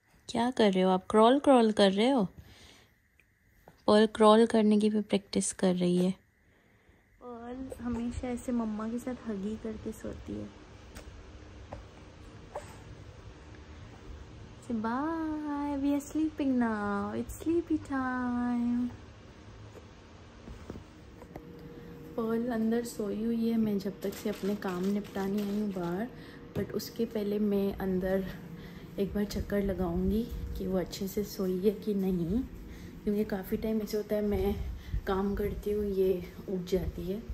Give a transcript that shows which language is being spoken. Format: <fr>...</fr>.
<hi>क्या कर रहे हो आप? क्रॉल कर रहे हो? पर्ल क्रॉल करने की भी प्रैक्टिस कर रही है. पर्ल हमेशा ऐसे मम्मा के साथ हगी करके सोती है.</hi> <en>Say bye, we are sleeping now. It's sleepy time.</en> <hi>Pearl अंदर सोई हुई है. मैं जब तक से अपने काम निपटाने आई हूँ बाहर, बट उसके पहले मैं अंदर एक बार चक्कर लगाऊंगी कि वो अच्छे से सोई है कि नहीं, क्योंकि काफ़ी टाइम ऐसे होता है मैं काम करती हूँ ये उठ जाती है.</hi>